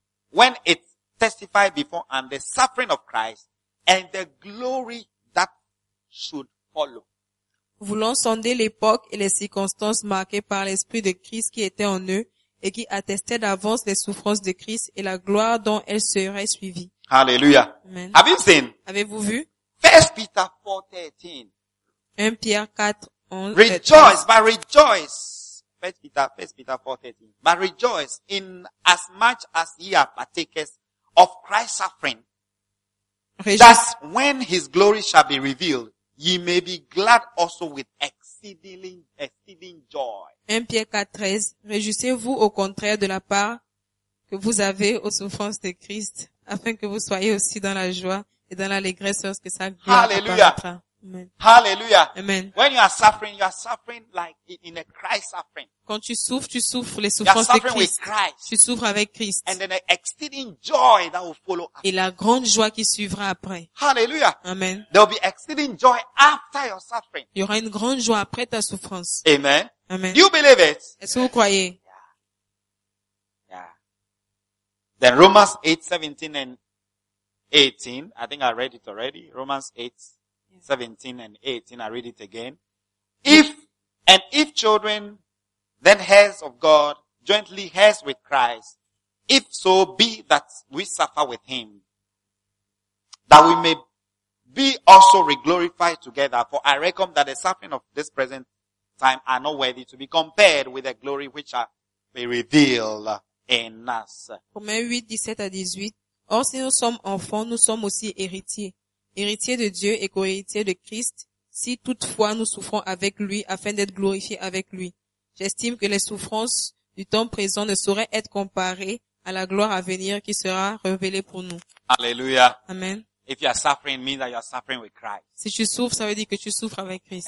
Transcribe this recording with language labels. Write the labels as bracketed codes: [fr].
[en] When it testified before and the suffering of Christ and the glory that should follow. [fr] Voulant sonder l'époque et les circonstances marquées par l'Esprit de Christ qui était en eux et qui attestait d'avance les souffrances de Christ et la gloire dont elles seraient suivies. [en] Hallelujah. Amen. Have you seen? [fr] Avez-vous vu? [en] 1 Peter 4, 13. [fr] 1 Pierre 4, 11. [en] Rejoice, but rejoice. 1 Peter 4, 13. But rejoice in as much as ye are partakers of Christ's suffering. That when his glory shall be revealed, ye may be glad also with exceeding exceeding joy. [fr] 1 Pierre 4:13. Réjouissez-vous au contraire de la part que vous avez aux souffrances de Christ, afin que vous soyez aussi dans la joie et dans l'allégresse lorsque sa gloire apparaîtra. [en] Hallelujah. Amen. Hallelujah. Amen. When you are suffering like in a Christ suffering. [fr] Quand tu souffres les souffrances de Christ. [en] With Christ. [fr] Tu souffres avec Christ. [en] And then an exceeding joy that will follow after. [fr] Et la grande joie qui suivra après. [en] Hallelujah. Amen. There will be exceeding joy after your suffering. [fr] Il y aura une grande joie après ta souffrance. [en] Amen. Amen. Do you believe it? [fr] Est-ce que vous croyez? [en] Yeah. Yeah. Then Romans 8:17 and 18. I think I read it already. Romans 8:17 and 18, I read it again. If children, then heirs of God, jointly heirs with Christ, if so be that we suffer with him, that we may be also reglorified together. For I reckon that the suffering of this present time are not worthy to be compared with the glory which shall be revealed in us. [fr] Romains 8, 17 à 18. Or si nous sommes enfants, nous sommes aussi héritiers. Héritier de Dieu et co-héritier de Christ, si toutefois nous souffrons avec lui afin d'être glorifiés avec lui. J'estime que les souffrances du temps présent ne sauraient être comparées à la gloire à venir qui sera révélée pour nous. Alléluia. Amen. [en] If you are suffering, means that you are suffering with Christ. [fr] Si tu souffres, ça veut dire que tu souffres avec Christ.